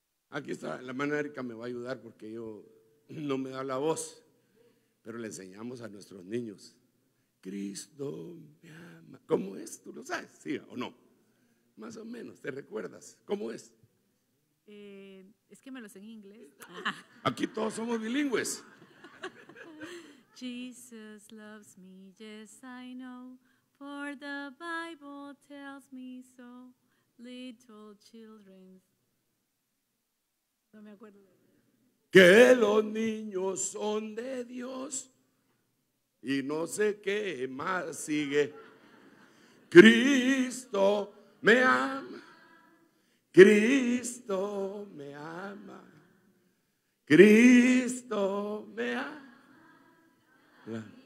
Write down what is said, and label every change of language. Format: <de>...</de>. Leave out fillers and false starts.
<es>Aquí está, la hermana Erika me va a ayudar porque yo no me da la voz, pero le enseñamos a nuestros niños. Cristo me ama. ¿Cómo es? ¿Tú lo sabes? ¿Sí o no? Más o menos, ¿te recuerdas? ¿Cómo es? Es que me lo sé en inglés. Aquí todos somos bilingües.</es> <en>Jesus loves me, yes I know, for the Bible tells me so, little children.</en> <es>No me acuerdo. Que los niños son de Dios. Y no sé qué más sigue. Cristo me ama. Cristo me ama. Cristo me ama.</es>